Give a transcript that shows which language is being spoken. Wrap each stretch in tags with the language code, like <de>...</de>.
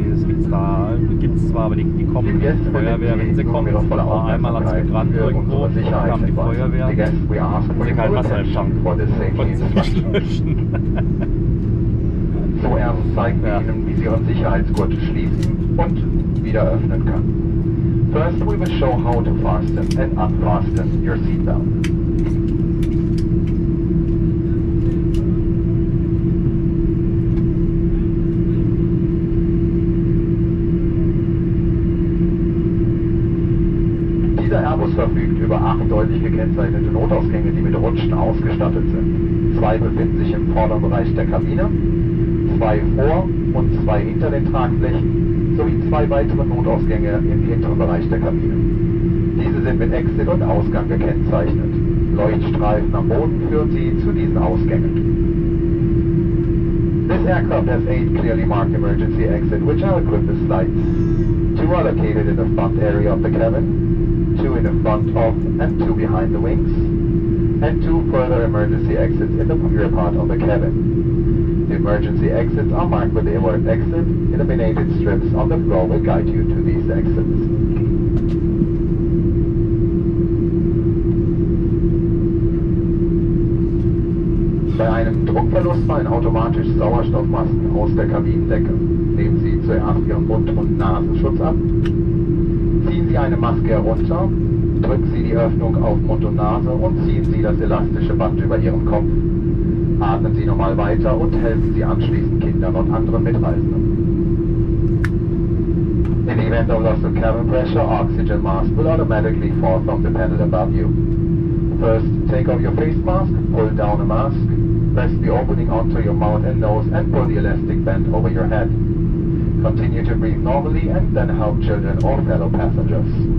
<de>Das gibt es da, gibt es zwar, aber die kommen nicht. Die Feuerwehr, wenn sie kommen, war einmal hat es gebrannt irgendwo, kam die Feuerwehr, und sie kein Wasser im Tank, konnten sie nicht löschen. So, er zeigt ja Ihnen, wie Sie Ihren Sicherheitsgurt schließen und wieder öffnen können.</de> <en>First, we will show how to fasten and unfasten your seatbelt.</en> <de>Dieser Airbus verfügt über 8 deutlich gekennzeichnete Notausgänge, die mit Rutschen ausgestattet sind. 2 befinden sich im Vorderbereich der Kabine. 2 vor und 2 hinter den Tragflächen sowie 2 weitere Notausgänge im hinteren Bereich der Kabine. Diese sind mit Exit und Ausgang gekennzeichnet. Leuchtstreifen am Boden führen Sie zu diesen Ausgängen.</de> <en>This aircraft has 8 clearly marked emergency exits, which are equipped with slides. 2 are located in the front area of the cabin, 2 in the front of and 2 behind the wings, and 2 further emergency exits in the rear part of the cabin. The emergency exits are marked with the alert exit. Illuminated strips on the floor will guide you to these exits.</en> <de>Bei einem Druckverlust fallen automatisch Sauerstoffmasken aus der Kabinendecke. Nehmen Sie zuerst Ihren Mund- und Nasenschutz ab. Ziehen Sie eine Maske herunter. Drücken Sie die Öffnung auf Mund und Nase und ziehen Sie das elastische Band über Ihren Kopf. Atmen Sie nochmal weiter und helfen Sie anschließend Kindern und anderen Mitreisenden.</de> <en>In the event of loss of cabin pressure, oxygen mask will automatically fall from the panel above you. First, take off your face mask, pull down a mask, press the opening onto your mouth and nose and pull the elastic band over your head. Continue to breathe normally and then help children or fellow passengers.</en>